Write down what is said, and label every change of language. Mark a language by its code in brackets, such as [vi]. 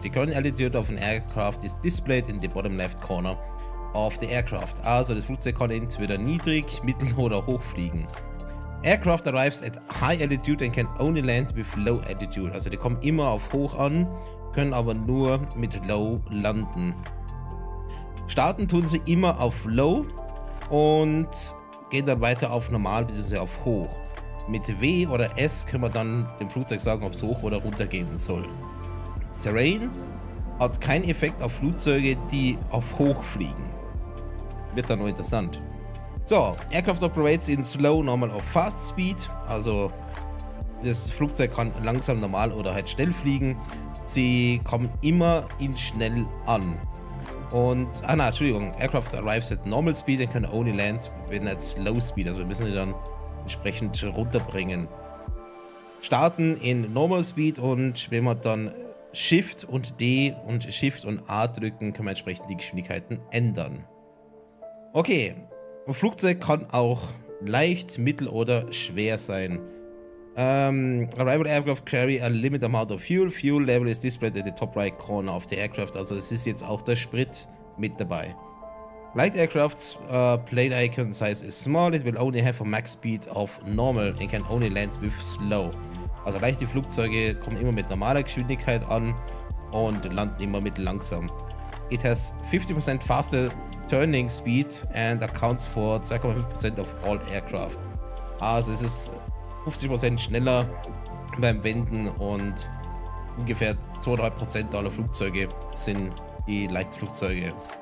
[en] The current altitude of an aircraft is displayed in the bottom left corner of the aircraft. [de] Also, das Flugzeug kann entweder niedrig, mittel oder hoch fliegen. [en] Aircraft arrives at high altitude and can only land with low altitude. [de] Also, die kommen immer auf hoch an, können aber nur mit low landen. Starten tun sie immer auf low und gehen dann weiter auf normal bzw. auf hoch. Mit W oder S können wir dann dem Flugzeug sagen, ob es hoch oder runter gehen soll. Terrain hat keinen Effekt auf Flugzeuge, die auf hoch fliegen. Wird dann noch interessant. [en] So, Aircraft operates in slow, normal or fast speed. [de] Also, das Flugzeug kann langsam, normal oder halt schnell fliegen. Sie kommen immer in schnell an. Und, ah nein, Entschuldigung, [en] Aircraft arrives at normal speed and can only land when at slow speed. [de] Also, wir müssen sie dann entsprechend runterbringen. Starten in normal speed und wenn wir dann Shift und D und Shift und A drücken, können wir entsprechend die Geschwindigkeiten ändern. Okay. Ein Flugzeug kann auch leicht, mittel oder schwer sein. [en] Arrival aircraft carry a limited amount of fuel. Fuel level is displayed at the top right corner of the aircraft. [de] Also es ist jetzt auch der Sprit mit dabei. [en] Light aircraft plane icon size is small. It will only have a max speed of normal and can only land with slow. [de] Also leichte Flugzeuge kommen immer mit normaler Geschwindigkeit an und landen immer mit langsam. [en] It has 50% faster turning speed and accounts for 2,5% of all aircraft. [de] Also es ist 50% schneller beim Wenden und ungefähr 2,5% aller Flugzeuge sind die Leichtflugzeuge.